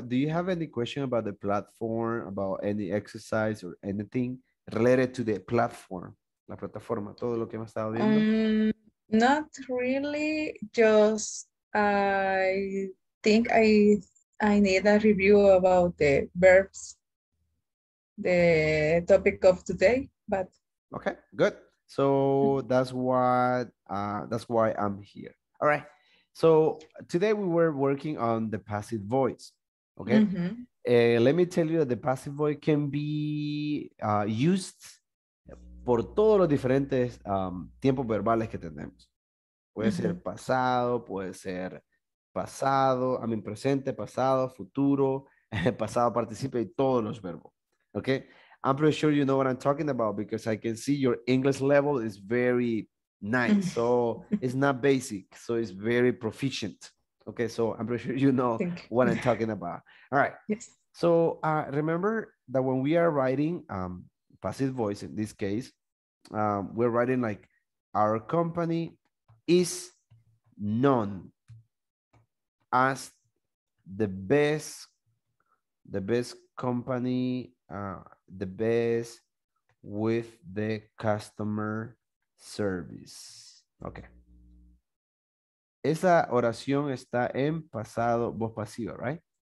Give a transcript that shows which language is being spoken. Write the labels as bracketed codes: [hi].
[en] Do you have any question about the platform, about any exercise or anything related to the platform? [es] La plataforma, todo lo que hemos estado viendo. [en] Not really. Just I think I need a review about the verbs, the topic of today, but. Okay, good. So that's why I'm here. All right. So today we were working on the passive voice. Okay. Mm-hmm. Let me tell you that the passive voice can be used por todos los diferentes tiempos verbales que tenemos. Puede mm-hmm. [es] ser pasado, puede ser pasado, I mean presente, pasado, futuro, pasado participio y todos los verbos. [en] Okay. I'm pretty sure you know what I'm talking about because I can see your English level is very nice. So it's not basic. So it's very proficient. Okay. So I'm pretty sure you know what I'm talking about. All right. Yes. So remember that when we are writing passive voice in this case, we're writing like our company is known as the best company, the best with the customer service. Okay. [es] Esa oración está en pasado, voz pasiva, right?